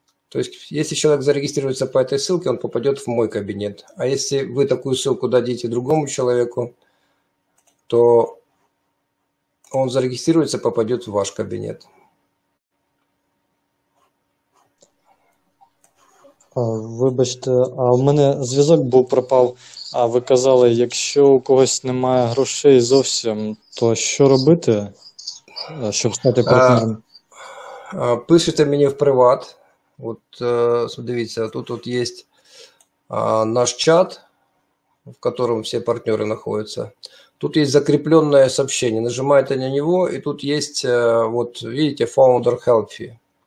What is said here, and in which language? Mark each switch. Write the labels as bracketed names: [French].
[Russian] То есть, если человек зарегистрируется по этой ссылке, он попадет в мой кабинет. А если вы такую ссылку дадите другому человеку, то он зарегистрируется, попадет в ваш кабинет. [Ukrainian] Вибачте, а у мене зв'язок був пропав. А ви казали, якщо у когось немає грошей зовсім, то що робити, щоб стати партнером? Пишете мені в приват. [Russian] Вот смотрите, тут вот есть наш чат, в котором все партнеры находятся. Тут есть закрепленное сообщение. Нажимаете на него, и тут есть, вот видите, Founder Healthy.